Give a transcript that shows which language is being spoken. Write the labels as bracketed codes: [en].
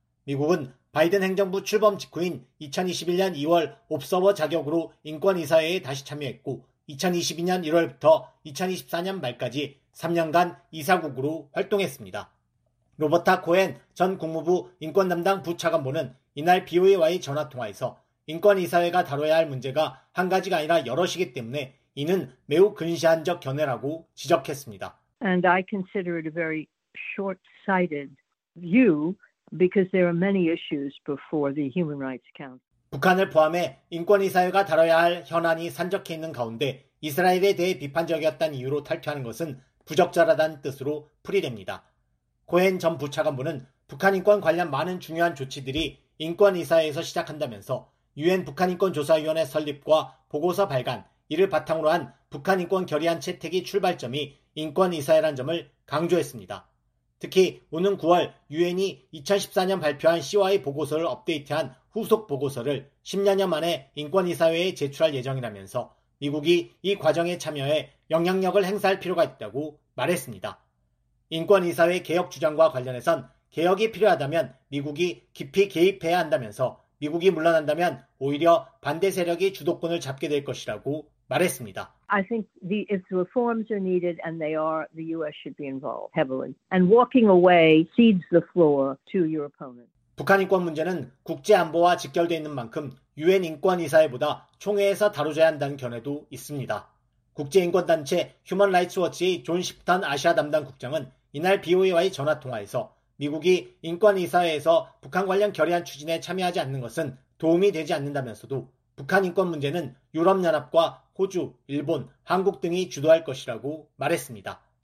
[ko] 미국은 바이든 행정부 출범 직후인 2021년 2월 옵서버 자격으로 인권이사회에 다시 참여했고 2022년 1월부터 2024년 말까지 3년간 이사국으로 활동했습니다. 로버타 코헨 전 국무부 인권담당 부차관보는 이날 BOA와의 전화통화에서 인권이사회가 다뤄야 할 문제가 한 가지가 아니라 여럿이기 때문에 이는 매우 근시안적 견해라고 지적했습니다. [en] And I consider it a very short-sighted view because there are many issues before the Human Rights Council. [ko] 북한을 포함해 인권이사회가 다뤄야 할 현안이 산적해 있는 가운데 이스라엘에 대해 비판적이었다는 이유로 탈퇴하는 것은 부적절하다는 뜻으로 풀이됩니다. 고엔 전 부차관보는 북한 인권 관련 많은 중요한 조치들이 인권이사회에서 시작한다면서 유엔 북한인권조사위원회 설립과 보고서 발간, 이를 바탕으로 한 북한인권 결의안 채택이 출발점이 인권이사회란 점을 강조했습니다. 특히 오는 9월 유엔이 2014년 발표한 CY 보고서를 업데이트한 후속 보고서를 10여년 만에 인권이사회에 제출할 예정이라면서 미국이 이 과정에 참여해 영향력을 행사할 필요가 있다고 말했습니다. 인권이사회 개혁 주장과 관련해선 개혁이 필요하다면 미국이 깊이 개입해야 한다면서 미국이 물러난다면 오히려 반대 세력이 주도권을 잡게 될 것이라고 말했습니다. [en] I think the if reforms are needed and they are, the US should be involved heavily. And walking away cedes the floor to your opponent. [ko] 북한 인권 문제는 국제 안보와 직결되어 있는 만큼 유엔 인권 이사회보다 총회에서 다루어야 한다는 견해도 있습니다. 국제 인권 단체 휴먼 라이츠 워치의 존 시프턴 아시아 담당 국장은 이날 BOA와의 전화 통화에서 미국이 인권이사회에서 북한 관련 결의안 추진에 참여하지 않는 것은 도움이 되지 않는다면서도 북한 인권 문제는 유럽연합과 호주, 일본, 한국 등이 주도할 것이라고 말했습니다.